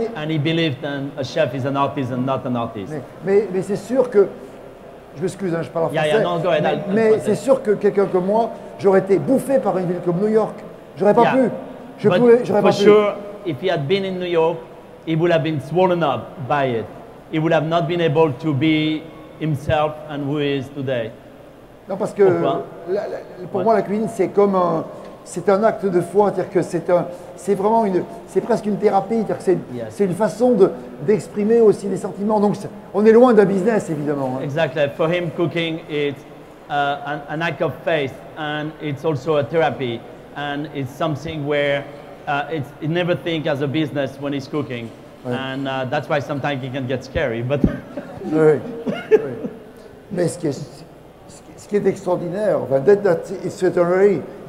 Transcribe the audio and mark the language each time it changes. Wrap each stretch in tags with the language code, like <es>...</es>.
<en>and he believed that a chef is an artisan, not an artist.</en> <fr>Mais c'est sûr que, je m'excuse, hein, je parle en français.</fr> <en>Yeah, non, go ahead.</en> <fr>Mais c'est sûr que quelqu'un comme moi, j'aurais été bouffé par une ville comme New York. J'aurais pas pu.</fr> <en>Sure, if he had been in New York, he would have been swollen up by it. He would have not been able to be himself and who he is today.</en> <fr>Non, parce que moi, la cuisine, c'est comme un... C'est un acte de foi, c'est-à-dire que c'est presque une thérapie, c'est-à-dire que c'est une façon d'exprimer aussi les sentiments. Donc, on est loin d'un business, évidemment.</fr> <en>Exactly. For him, cooking it's an act of faith, and it's also a therapy, and it's something where he never think as a business when he's cooking, and that's why sometimes he can get scary. But</en> <fr>oui. Mais ce qui est qui est extraordinaire, enfin,</fr> <en>that is extraordinary.</en>